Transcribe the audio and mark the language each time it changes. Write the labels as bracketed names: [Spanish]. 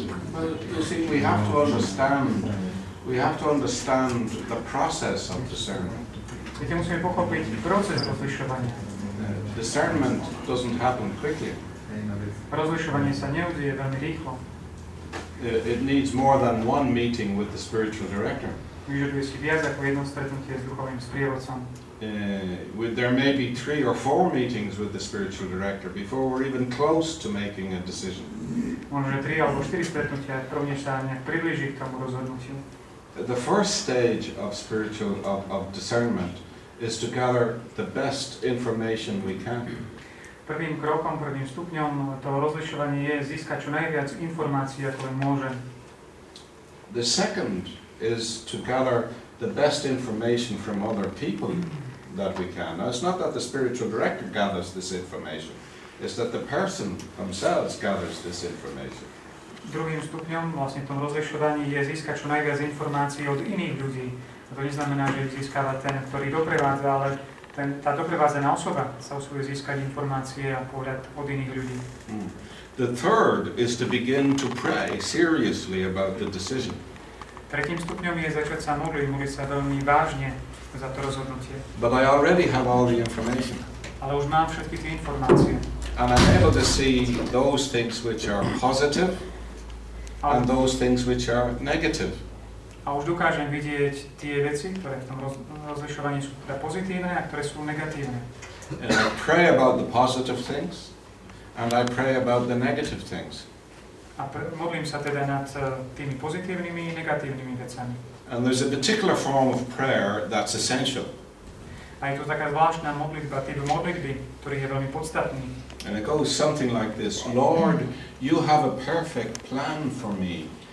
[English] Well, you see, we have to understand the process of discernment. [Slovak] Viete, musíme pochopiť proces rozlišovania. [English] Discernment doesn't happen quickly. [Slovak] Rozlišovanie sa neudeje veľmi rýchlo. [English] It needs more than one meeting with the spiritual director. [Slovak] Vyžaduje si viac ako jedno stretnutie s duchovným sprievodcom. [English] There may be 3 or 4 meetings with the spiritual director before we're even close to making a decision. [Slovak] Môže 3 alebo 4 stretnutia, rovne sa nejak približí k tomu rozhodnutiu. [English] The first stage of spiritual of discernment is to gather the best information we can. [Slovak] Prvým krokom, prvým stupňom toho rozlišovania je získať čo najviac informácií, ako len môžem. [English] The second is to gather the best information from other people that we can. Now, it's not that the spiritual director gathers this information. It's that the person themselves gathers this information. [Slovak] Druhým stupňom, vlastne tom rozlišovaní, je získať čo najviac informácií od iných ľudí. A to neznamená, že získava ten, ktorý doprevádza, ale ten, tá doprevádzená osoba sa usiluje získať informácie a pohľad od iných ľudí. [English] The third is to begin to pray seriously about the decision. [Slovak] Tretím stupňom je začať sa modliť sa veľmi vážne za to rozhodnutie. [English] But I already have all the information. [Slovak] Ale už mám všetky tie informácie. [English] And I'm able to see those things which are positive and those things which are negative. [Slovak] A už dokážem vidieť tie veci, ktoré v tom rozlišovaní sú teda pozitívne a ktoré sú negatívne. [English] And I pray about the positive things and I pray about the negative things. [Slovak] A modlím sa teda nad tými pozitívnymi i negatívnymi vecami. [English] And there's a particular form of prayer that's essential. [Slovak] A je to taká zvláštna modlitba, typ modlitby, ktorý je veľmi podstatný. [English] And it goes something like this: Lord, you have a perfect plan for me.